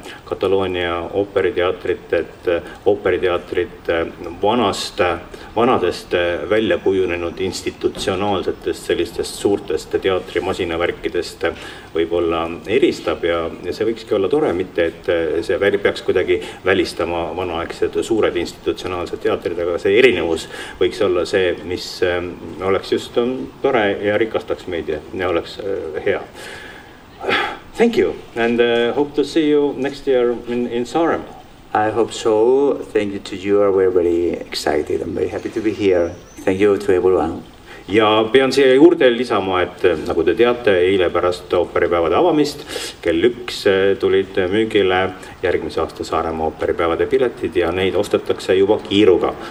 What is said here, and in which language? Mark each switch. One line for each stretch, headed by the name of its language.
Estonian: Kataloonia ooperiteatrit, et ooperiteatrit vanadest välja kujunenud institutsionaalsetest sellistest suurtest teatrimasinavärkidest võib-olla eristab ja see võikski olla tore, mitte et see peaks kuidagi välistama vanaaegsed suured institutsionaalsed teatrid, aga see erinevus võiks olla see, mis oleks just tore ja rikastaks meid ja oleks hea.
English: Thank you and hope to see you next year in Saarem. I hope so. Thank you to you. We're very excited and very happy to be here. Thank you to everyone.
Estonian: Ja pean siia juurde lisama, et nagu te teate, eile pärast ooperipäevade avamist, kell 1 tulid müügile järgmise aasta Saarema ooperipäevade piletid ja neid ostatakse juba kiiruga.